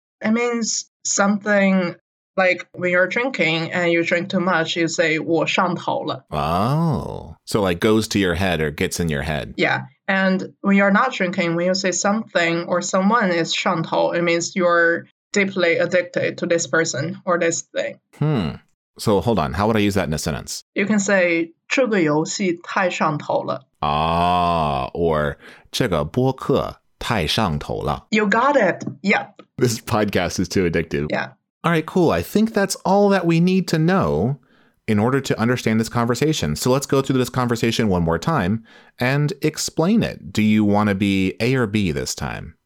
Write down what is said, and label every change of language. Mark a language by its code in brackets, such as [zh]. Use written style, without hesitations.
[en] It means something like when you're drinking and you drink too much, you say [zh] 我上头了. [en] Oh. So like goes to your head or gets in your head. Yeah. And when you're not drinking, when you say something or someone is [zh] 上头, [en] it means you're deeply addicted to this person or this thing. So hold on. How would I use that in a sentence? You can say [zh] 这个游戏太上头了. Ah, or 这个播客太上头了. [en] You got it. Yep. This podcast is too addictive. Yeah. All right, cool. I think that's all that we need to know in order to understand this conversation. So let's go through this conversation one more time and explain it. Do you want to be A or B this time?